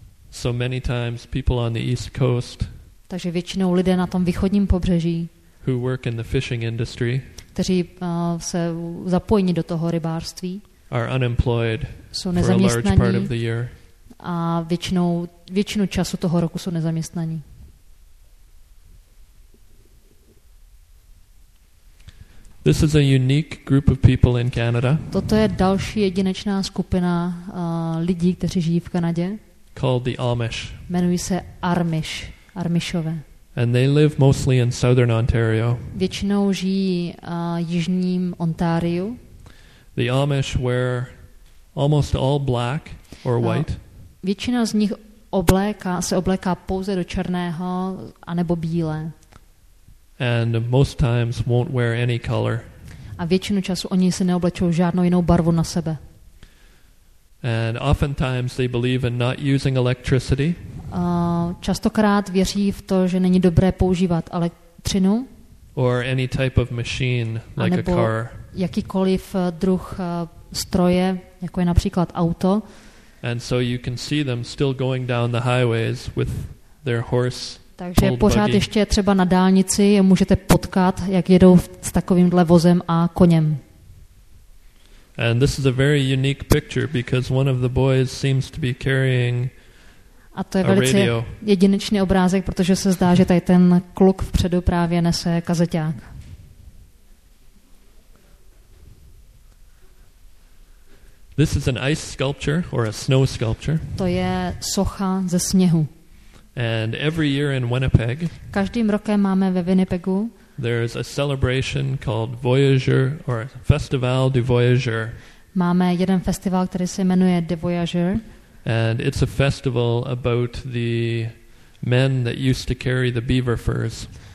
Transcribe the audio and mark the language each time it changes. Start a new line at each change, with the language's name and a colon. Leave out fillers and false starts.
English: So many times people on the East Coast,
Czech: takže většinou lidé na tom východním pobřeží,
English: who work in the fishing industry,
Czech: kteří se zapojí do toho rybářství,
English: are unemployed
Czech: jsou nezaměstnaní
English: for a large part of the year.
Czech: A většinu času toho roku jsou nezaměstnaní.
English: This is a unique group of people in Canada.
Czech: Toto je další jedinečná skupina lidí, kteří žijí v Kanadě.
English: Called the Amish.
Czech: Jmenují se Amish, Amishové.
English: And they live mostly in southern Ontario.
Czech: Většinou žijí jižním Ontáriu.
English: The Amish wear almost all black or white.
Czech: Většina z nich se obléká pouze do černého anebo bílé.
English: And most times won't wear any color.
Czech: A většinu času oni se neoblečou žádnou jinou barvu na sebe.
English: And oftentimes they believe in not using electricity.
Czech: Častokrát věří v to, že není dobré používat elektřinu.
English: Or any type of machine like a car.
Czech: Jakýkoliv druh stroje, jako je například auto.
English: And so you can see them still going down the highways with their horse.
Czech: Takže pořád ještě třeba na dálnici je můžete potkat, jak jedou s takovýmhle vozem a koněm.
English: And this is a very unique picture because one of the boys seems to be carrying
Czech: a to je velice jedinečný obrázek, protože se zdá, že tady ten kluk vpředu právě nese kazeťák.
English: This is an ice sculpture or a snow sculpture.
Czech: To je socha ze sněhu.
English: And every year in Winnipeg,
Czech: každým rokem máme ve Winnipegu,
English: there is a celebration called Voyageur or Festival du Voyageur.
Czech: Máme jeden festival, který se jmenuje The Voyageur.
English: And it's a festival about the men that used to carry the beaver furs.